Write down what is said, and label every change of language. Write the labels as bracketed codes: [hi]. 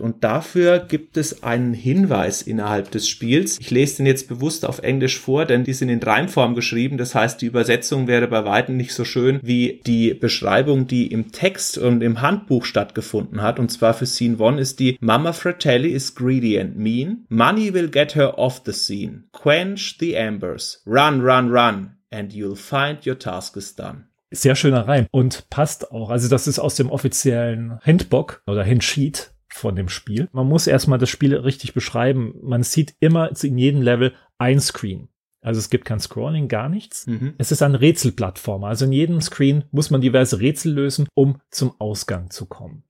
[de] Und dafür gibt es einen Hinweis innerhalb des Spiels. Ich lese den jetzt bewusst auf Englisch vor, denn die sind in Reimform geschrieben. Das heißt, die Übersetzung wäre bei Weitem nicht so schön wie die Beschreibung, die im Text und im Handbuch stattgefunden hat. Und zwar für Scene 1 ist die: [en] Mama Fratelli is greedy and mean. Money will get her off the scene. Quench the embers. Run, run, run, and you'll find your task is done. [de] Sehr schöner Reim und passt auch. Also das ist aus dem offiziellen Handbook oder Handsheet von dem Spiel. Man muss erstmal das Spiel richtig beschreiben. Man sieht immer in jedem Level ein Screen. Also es gibt kein Scrolling, gar nichts. Mhm. Es ist eine Rätselplattform. Also in jedem Screen muss man diverse Rätsel lösen, um zum Ausgang zu kommen.